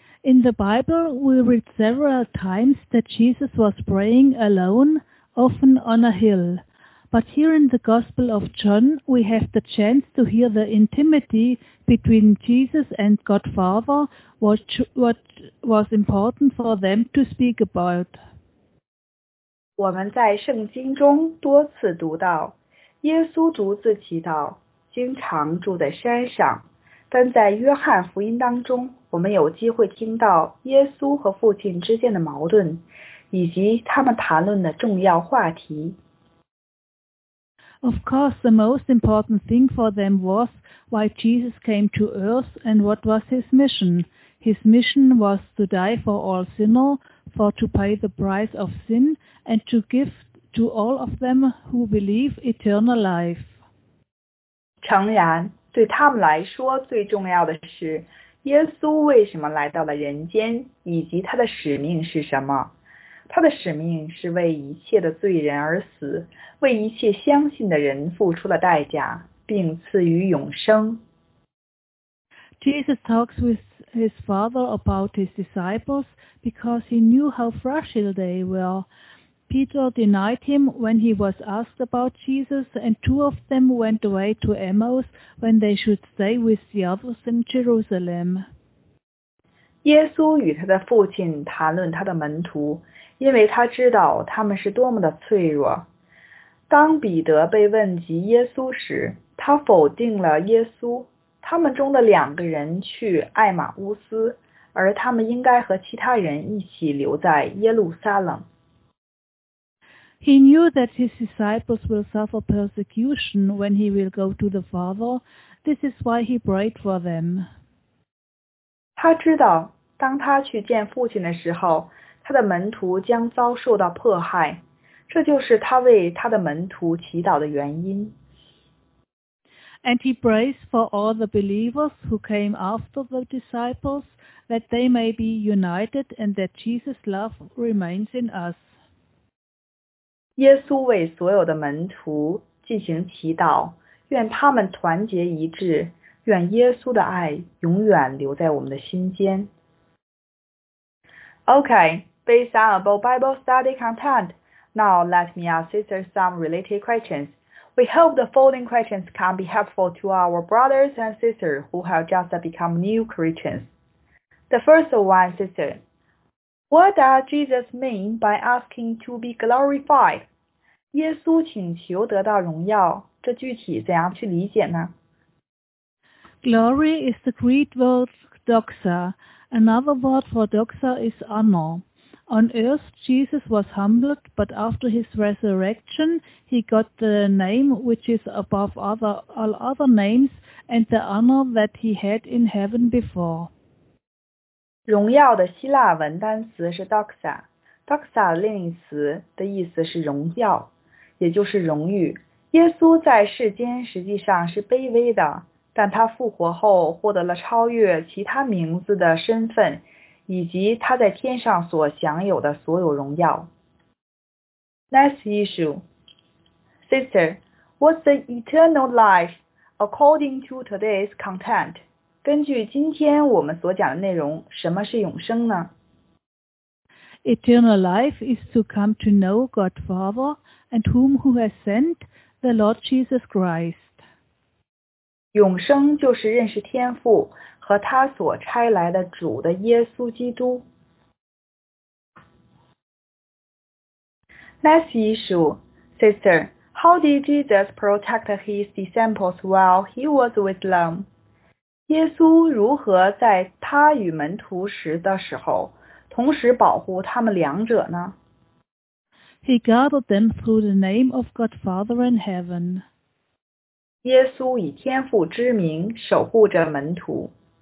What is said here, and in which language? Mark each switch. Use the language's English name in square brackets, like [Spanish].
[English] In the Bible, we read several times that Jesus was praying alone, often on a hill. But here in the Gospel of John, we have the chance to hear the intimacy between Jesus and God Father, what was important for them to speak about. [Chinese] 我们在圣经中多次读到耶稣独自祈祷，经常住在山上。但在约翰福音当中，我们有机会听到耶稣和父亲之间的矛盾，以及他们谈论的重要话题。 [English] Of course, the most important thing for them was why Jesus came to earth and what was his mission. His mission was to die for all sinners, for to pay the price of sin, and to give to all of them who believe eternal life. [Chinese] 诚然，对他们来说最重要的是耶稣为什么来到了人间，以及他的使命是什么。他的使命是为一切的罪人而死，为一切相信的人付出了代价，并赐予永生。 [English] Jesus talks with his father about his disciples because he knew how fragile they were. Peter denied him when he was asked about Jesus, and two of them went away to Emmaus when they should stay with the others in Jerusalem. [Chinese] 耶稣与他的父亲谈论他的门徒，因为他知道他们是多么的脆弱。当彼得被问及耶稣时，他否定了耶稣。他们中的两个人去艾玛乌斯，而他们应该和其他人一起留在耶路撒冷。 [English] He knew that his disciples will suffer persecution when he will go to the Father. This is why he prayed for them. [Chinese] 他知道，当他去见父亲的时候，他的门徒将遭受到迫害，这就是他为他的门徒祈祷的原因。 [English] And he prays for all the believers who came after the disciples, that they may be united and that Jesus' love remains in us. [Chinese] 耶稣为所有的门徒进行祈祷，愿他们团结一致，愿耶稣的爱永远留在我们的心间。 [English] Okay, based on our Bible study content, now let me ask sisters some related questions. We hope the following questions can be helpful to our brothers and sisters who have just become new Christians. The first one, sister, what does Jesus mean by asking to be glorified? [Chinese] 耶稣请求得到荣耀，这具体怎样去理解呢？ [English] Glory is the Greek word doxa. Another word for doxa is honor. On earth, Jesus was humbled, but after his resurrection, he got the name which is above all other names and the honor that he had in heaven before. [Chinese] 荣耀的希腊文单词是 doxa. Doxa 另一词的意思是荣耀，也就是荣誉。耶稣在世间实际上是卑微的。但他复活后获得了超越其他名字的身份，以及他在天上所享有的所有荣耀。 [English] Next issue. Sister, what's the eternal life according to today's content? [Chinese] 根据今天我们所讲的内容，什么是永生呢？ [English] Eternal life is to come to know God Father and whom who has sent the Lord Jesus Christ. [Chinese] 永生就是认识天父和他所差来的主的耶稣基督。 [English] Next issue, sister, how did Jesus protect his disciples while he was with them? [Chinese] 耶稣如何在他与门徒时的时候，同时保护他们两者呢？ [English] He guarded them through the name of God Father in heaven. [Chinese] 耶稣以天父之名守护着门徒。